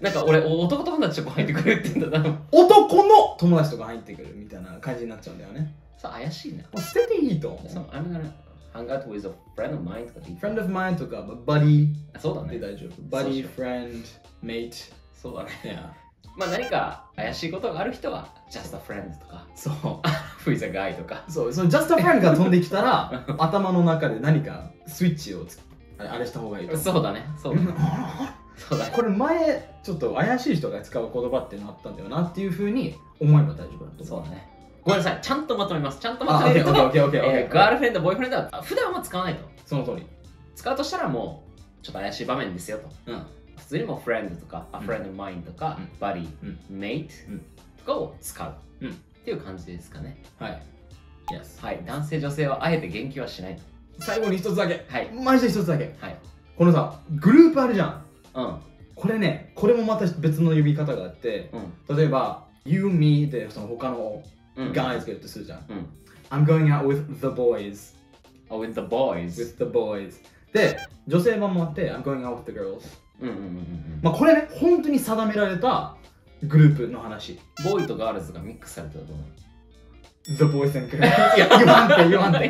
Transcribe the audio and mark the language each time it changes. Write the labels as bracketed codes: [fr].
[ja] なんか俺、男友達とか入ってくるって言ったら、多分男の友達とか入ってくるみたいな感じになっちゃうんだよね。さ、怪しいな。捨てていいと思う。 [en] So, I'm gonna hang out with a friend of mine [ja] とかでいい。 [en] Friend of mine とか、buddy。 [ja] そうだね。で大丈夫。 [en] Buddy、friend、mate。 [ja] そうだね。 [en] Yeah. [ja] まあ何か怪しいことがある人は [en] Just a friend [ja] とかそう [en] Who's a guy とか [ja] そう、その [en] Just a friend [ja] が飛んできたら頭の中で何かスイッチをあれした方がいいと思う。そうだね、そうだね、そうだね。これ前ちょっと怪しい人が使う言葉ってのあったんだよなっていう風に思えば大丈夫だと思う。そうだね。ごめんなさい、ちゃんとまとめます。ちゃんとまとめると、ガールフレンド、ボーイフレンドは普段は使わないと。その通り。使うとしたらもうちょっと怪しい場面ですよと。うん、普通にもフレンドとか、うん、 [en] a friend of mine [ja] とか、うん、buddy、うん、mate、うん、とかを使う、うん、っていう感じですかね。はい、 [en] yes. [ja] はい、男性女性はあえて言及はしない。最後に一つだけ、はい、マジで一つだけ、はい、このさグループあるじゃん、うん、これね、これもまた別の呼び方があって、うん、例えば [en] you, me [ja] でその他の guys がいるとするじゃん、うん、 [en] I'm going out with the boys、 oh, with the boys with the boys [ja] で女性版もあって [en] I'm going out with the girls、 [ja] うんうんうんうん、まあこれね、本当に定められたグループの話。ボーイとガールズがミックスされたと思う。 [en] The boys and girls。 [ja] いや、言わんて、言わんて、